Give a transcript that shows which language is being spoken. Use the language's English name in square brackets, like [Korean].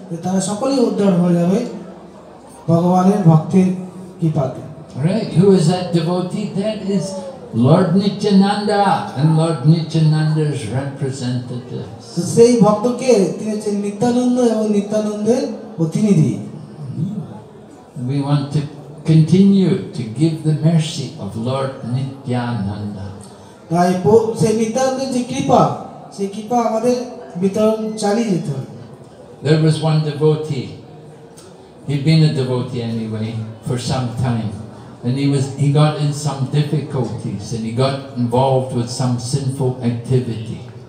[Bangla] তারা সকলেই উদ্ধার হয়ে যাবে ভগবানের ভক্তির কৃপাতে. [English] Right, who is that devotee? That is Lord Nityananda and Lord Nityananda's representatives. [Bangla] সেই ভক্ত কে? তিনি হচ্ছেন নিত্যানন্দ এবং নিত্যানন্দের প্রতিনিধি. [English] We want to continue to give the mercy of Lord Nityananda. [Bangla] তাই সেই নিত্যানন্দের যে কৃপা সেই কৃপা আমাদের বিতরণ চালিয়ে যেতে হবে. [English] There was one devotee. He'd been a devotee anyway for some time. And he got in some difficulties and he got involved with some sinful activity.